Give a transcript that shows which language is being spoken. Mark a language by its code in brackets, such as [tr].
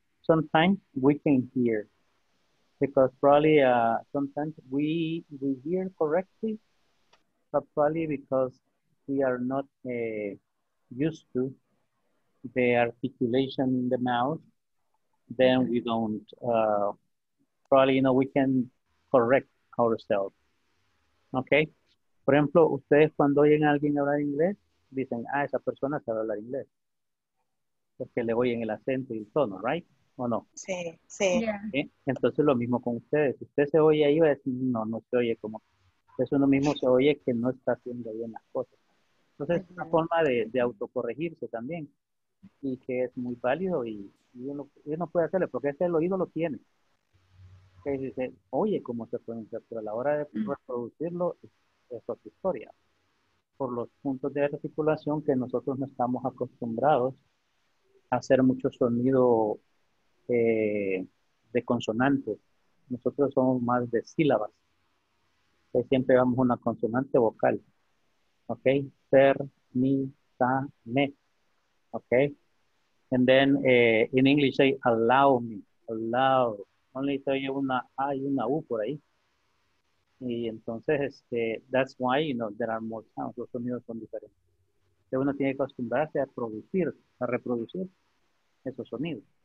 [en] Sometimes we can hear, because probably sometimes we hear correctly, but probably because we are not used to the articulation in the mouth, then we don't, probably, you know, we can correct ourselves, okay? [es] Por ejemplo, ustedes cuando oyen a alguien hablar inglés, dicen, ah, esa persona sabe hablar inglés, porque le oyen el acento y el tono, right? ¿O no? Sí, sí. [en] Yeah. [es] ¿Eh? Entonces lo mismo con ustedes. Si usted se oye ahí, va a decir, no, no se oye como. Eso uno mismo se oye que no está haciendo bien las cosas. Entonces es una forma de autocorregirse también. Y que es muy válido y uno puede hacerle, porque ese el oído lo tiene. Que si se oye cómo se puede hacer, pero a la hora de reproducirlo, es otra historia. Por los puntos de articulación que nosotros no estamos acostumbrados a hacer mucho sonido. De consonantes. Nosotros somos más de sílabas. Entonces siempre vamos una consonante vocal. Ok. Ser, mi, ta, me. Ok. [en] And then in English say allow me. Allow. [es] Only say una A y una U por ahí. [en] Y entonces that's why, you know, there are more sounds. [es] Los sonidos son diferentes. Entonces uno tiene que acostumbrarse a producir, a reproducir esos sonidos.